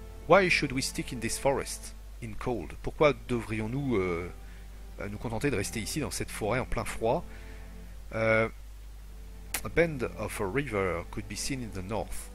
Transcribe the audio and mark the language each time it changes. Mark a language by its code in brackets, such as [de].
[en] Why should we stick in this forest in cold? [fr] Pourquoi devrions-nous nous contenter de rester ici dans cette forêt en plein froid? [en] A bend of a river could be seen in the north.